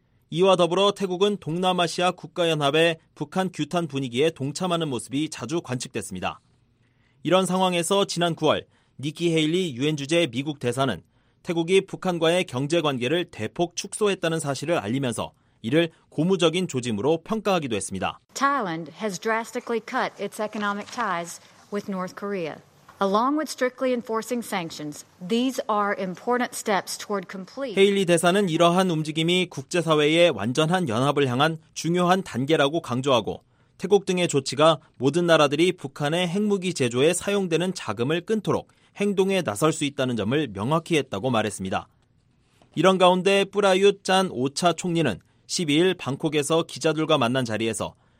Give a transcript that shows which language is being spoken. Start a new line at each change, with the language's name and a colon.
Korean: 이와 더불어 태국은 동남아시아 국가연합의 북한 규탄 분위기에 동참하는 모습이 자주 관측됐습니다. 이런 상황에서 지난 9월 니키 헤일리 유엔 주재 미국 대사는 태국이 북한과의 경제관계를 대폭 축소했다는 사실을 알리면서 이를 고무적인 조짐으로 평가하기도 했습니다.
English: Thailand has drastically cut its economic ties with North Korea. Along with strictly enforcing sanctions, these are important steps toward complete.
Korean: 헤일리 대사는 이러한 움직임이 국제사회의 완전한 연합을 향한 중요한 단계라고 강조하고 태국 등의 조치가 모든 나라들이 북한의 핵무기 제조에 사용되는 자금을 끊도록 행동에 나설 수 있다는 점을 명확히 했다고 말했습니다. 이런 가운데 뿌라유트 잔 오차 총리는 12일 방콕에서 기자들과 만난 자리에서